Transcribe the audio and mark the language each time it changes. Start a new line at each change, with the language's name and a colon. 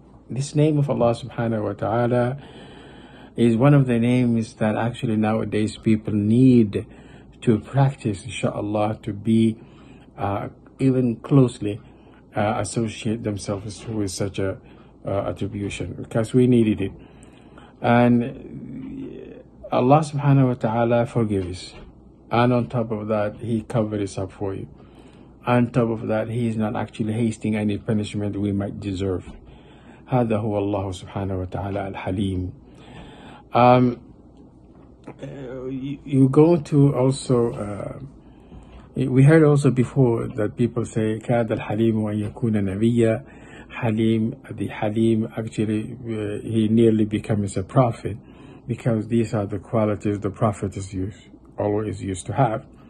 English: This name of Allah subhanahu wa ta'ala is one of the names that actually nowadays people need to practice, inshallah, to be even closely associate themselves with such a attribution, because we needed it. And Allah subhanahu wa ta'ala forgives, and on top of that He covers up for you. On top of that, He is not actually hasting any punishment we might deserve.
Arabic: هذا هو الله سبحانه وتعالى الحليم.
English: You go to also, we heard also before that people say
Arabic: كاد الحليم أن يكون نبيا.
English: حليم, the حليم, actually he nearly becomes a prophet, because these are the qualities the prophet is always used to have.